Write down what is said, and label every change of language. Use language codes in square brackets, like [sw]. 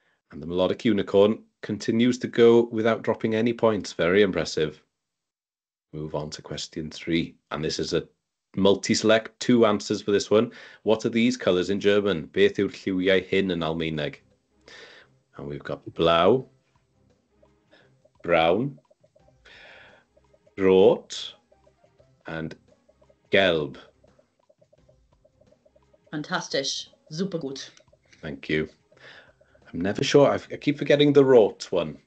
[en] And the melodic unicorn continues to go without dropping any points. Very impressive. Move on to question three. And this is a multi-select, two answers for this one. What are these colours in German? [cy] Beth yw'r lliwiau hyn yn Almaeneg? [en] And we've got blau, brown, rot, and gelb. [de] Fantastisch. Super gut. [en] Thank you. I'm never sure. I keep forgetting the rot one.